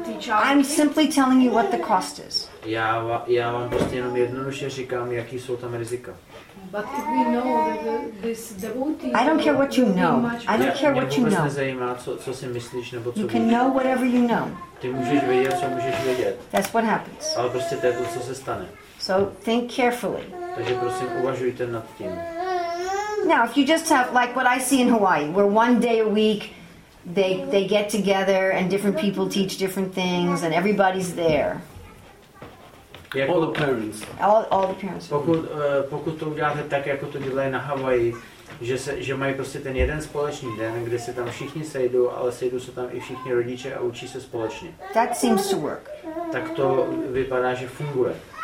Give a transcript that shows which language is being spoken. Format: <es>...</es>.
<en>I'm simply telling you what the cost is.</en> <cs>Já vám prostě jenom jednoduše říkám, jaký jsou tam rizika.</cs> <en>But we know that this devotee. I don't care what you know. I don't care what you know.</en> <cs>Co si myslíš nebo co.</cs> <en>You can know whatever you know.</en> <cs>Ty můžeš vědět, co můžeš vědět.</cs> <en>That's what happens.</en> <cs>Ale prostě to je to, co se stane.</cs> <en>So think carefully.</en> <cs>Takže prosím, uvažujte nad tím.</cs> <en>Now, if you just have like what I see in Hawaii, where one day a week they get together and different people teach different things and everybody's there. All the parents. All the parents.</en> <cs>Pokud to uděláte tak, jako to dělají na Hawaii, že mají prostě ten jeden společný den, kde se tam všichni sejdou, ale sejdou se tam i všichni rodiče a učí se společně.</cs> <en>That seems to work.</en> <cs>Tak to vypadá, že funguje.</cs>